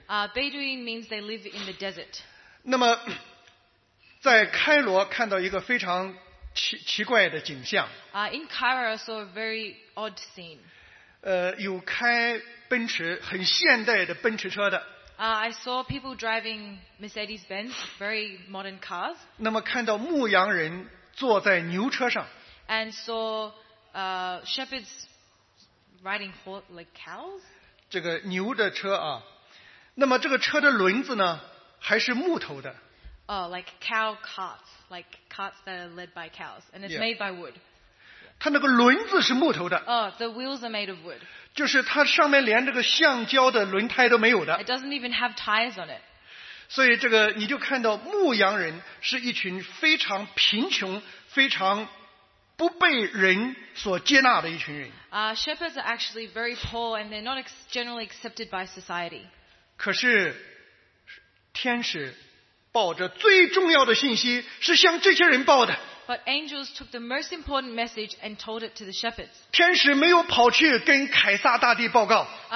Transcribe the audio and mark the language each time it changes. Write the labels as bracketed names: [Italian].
[English] Bedouin means they live in the desert. [Chinese] 那么在开罗看到一个非常 奇怪的景象。 [English] In Cairo, I saw a very odd scene. [Chinese] 有开奔驰，很现代的奔驰车的。 [English] I saw people driving Mercedes-Benz, very modern cars. [Chinese] 那么看到牧羊人坐在牛车上。 [English] And saw shepherds riding horse, like cows. [Chinese] 这个牛的车啊，那么这个车的轮子呢，还是木头的。 [English] Oh, like cow carts, like carts that are led by cows, and it's made by wood. [Chinese] 它那个轮子是木头的。 [English] Oh, the wheels are made of wood. [Chinese] 就是它上面连这个橡胶的轮胎都没有的。 [English] It doesn't even have tires on it. [Chinese] 所以这个你就看到牧羊人是一群非常贫穷、非常不被人所接纳的一群人。 [English] Shepherds are actually very poor, and they're not generally accepted by society. [Chinese] 可是天使抱着最重要的信息是向这些人报的。 [English] But angels took the most important message and told it to the shepherds. [Chinese] 天使没有跑去跟凯撒大帝报告。